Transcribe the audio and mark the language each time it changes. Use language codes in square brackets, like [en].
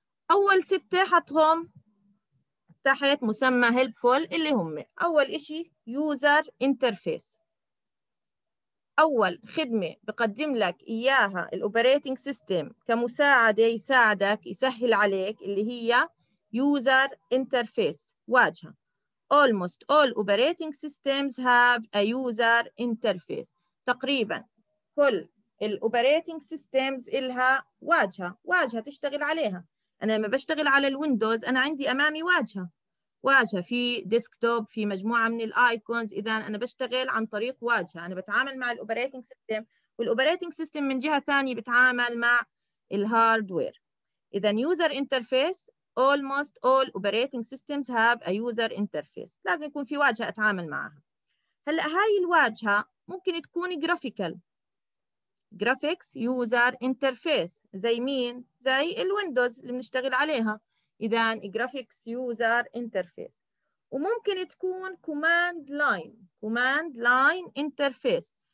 [ar] أول ستة حطهم تحت مسمى helpful اللي هم أول إشي user interface. أول خدمة بقدم لك إياها الأوبريتنج سيستم كمساعدة يساعدك يسهل عليك اللي هي user interface، واجهة. [en] Almost all operating systems have a user interface. [ar] تقريبا كل الاوبريتنج سيستمز لها واجهه تشتغل عليها. انا لما بشتغل على الويندوز انا عندي امامي واجهه في ديسكتوب، في مجموعه من الايكونز. اذا انا بشتغل عن طريق واجهه، انا بتعامل مع الاوبريتنج سيستم، والاوبريتنج سيستم من جهه ثانيه بتعامل مع الهاردوير. اذا يوزر انترفيس، [en] almost all operating systems have a user interface. [ar] لازم يكون في واجهه اتعامل معها. هلا هاي الواجهه ممكن تكون جرافيكال، جرافيكس يوزر انترفيس، زي مين؟ زي الويندوز اللي بنشتغل عليها. اذا جرافيكس يوزر انترفيس. وممكن تكون كوماند لاين انترفيس.